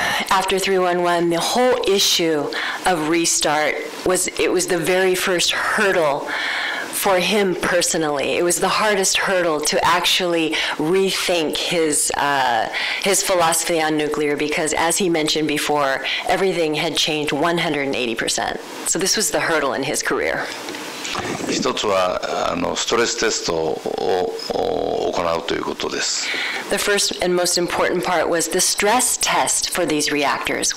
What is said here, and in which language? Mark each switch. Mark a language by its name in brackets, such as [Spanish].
[English] After 311, the whole issue of restart was the very first hurdle for him personally. It was the hardest hurdle to actually rethink his philosophy on nuclear because, as he mentioned before, everything had changed 180%. So this was the hurdle in his career. [Japanese] 一つはストレステストを行うということです。 [English] The first and most important part was the stress test for these reactors.